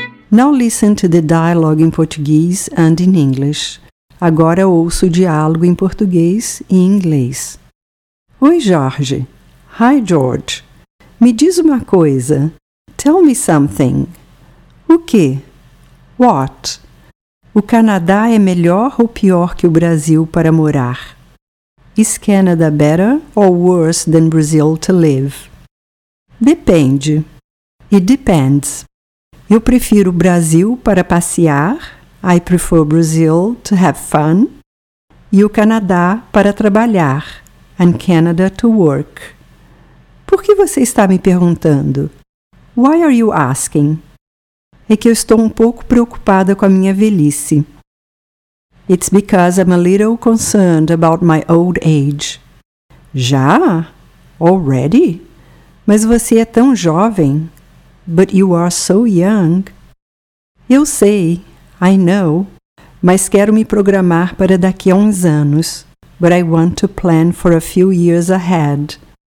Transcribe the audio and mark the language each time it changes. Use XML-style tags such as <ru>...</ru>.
<en>Now listen to the dialogue in Portuguese and in English.</en> <pt>Agora ouço o diálogo em português e em inglês. Oi, Jorge.</pt> <en>Hi, George.</en> <pt>Me diz uma coisa.</pt> <en>Tell me something.</en> <pt>O quê?</pt> <en>What?</en> <pt>O Canadá é melhor ou pior que o Brasil para morar?</pt> <en>Is Canada better or worse than Brazil to live?</en> <pt>Depende.</pt> <en>It depends.</en> <pt>Eu prefiro o Brasil para passear.</pt> <en>I prefer Brazil to have fun.</en> <pt>E o Canadá para trabalhar.</pt> <en>And Canada to work.</en> <pt>Por que você está me perguntando?</pt> <en>Why are you asking?</en> <pt>É que eu estou um pouco preocupada com a minha velhice.</pt> <en>It's because I'm a little concerned about my old age.</en> <pt>Já?</pt> <en>Already?</en> <pt>Mas você é tão jovem.</pt> <en>But you are so young.</en> <pt>Eu sei.</pt> <en>I know.</en> <pt>Mas quero me programar para daqui a uns anos.</pt> <en>But I want to plan for a few years ahead.</en>